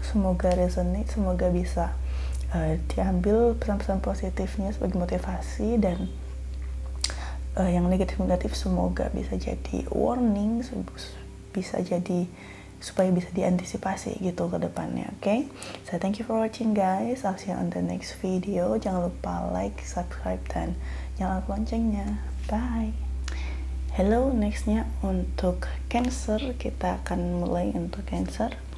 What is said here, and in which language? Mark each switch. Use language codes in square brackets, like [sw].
[id] Semoga resonate, semoga bisa diambil pesan-pesan positifnya sebagai motivasi, dan yang negatif-negatif semoga bisa jadi warning, bisa jadi supaya bisa diantisipasi gitu ke depannya, oke? [en] Okay? So, thank you for watching guys. I'll see you on the next video. [id] Jangan lupa like, subscribe, dan nyalakan loncengnya. Bye! Hello, next-nya untuk Cancer. Kita akan mulai untuk Cancer.